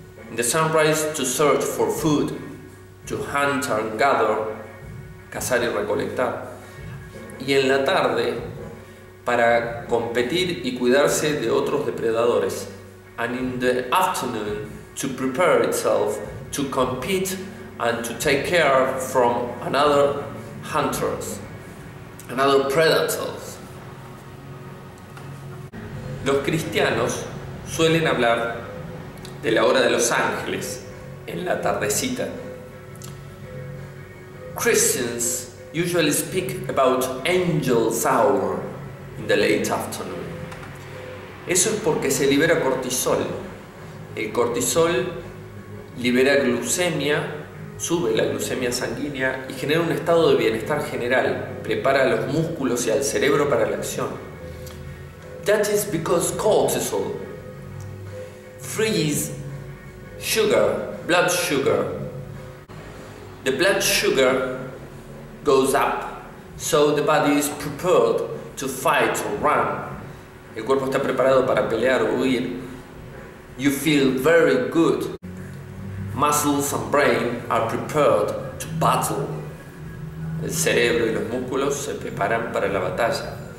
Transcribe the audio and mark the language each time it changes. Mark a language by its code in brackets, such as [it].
[en] In the sunrise, to search for food, to hunt and gather, [es] cazar y recolectar. Y en la tarde, para competir y cuidarse de otros depredadores. [en] And in the afternoon, to prepare itself to compete and to take care from another hunters, another predators. [es] Los cristianos suelen hablar de la hora de los ángeles en la tardecita. [en] Christians usually speak about angel's hour in the late afternoon. [es] Eso es porque se libera cortisol. El cortisol libera glucemia, sube la glucemia sanguínea y genera un estado de bienestar general, prepara los músculos y al cerebro para la acción. [en] That is because cortisol frees sugar, blood sugar. The blood sugar goes up, so the body is prepared to fight or run. [es] El cuerpo está preparado para pelear o huir. [en] You feel very good. Muscles and brain are prepared to battle. [es] El cerebro y los músculos se preparan para la batalla.